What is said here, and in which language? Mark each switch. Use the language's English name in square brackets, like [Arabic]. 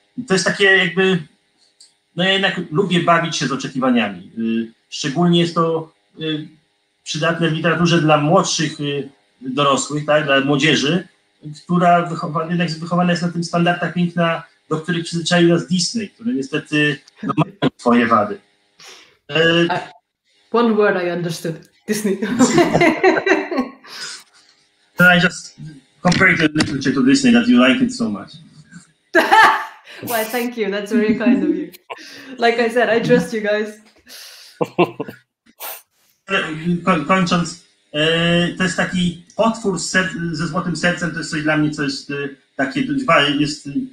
[Polish] To jest takie jakby, no ja jednak lubię bawić się z oczekiwaniami. Szczególnie jest to przydatne w literaturze dla młodszych dorosłych, tak, dla młodzieży, która wychowana jest na tym standardach piękna, do których przyzwyczaił nas Disney, które niestety mają swoje wady. [English] One word I understood, Disney. So I just compared your literature to Disney, that you like it so much. Well, thank you, that's very kind of you. Like I said, I trust you guys. [Polish] Kończąc, to jest taki potwór ze złotym sercem, to jest coś dla mnie, co jest takie, jest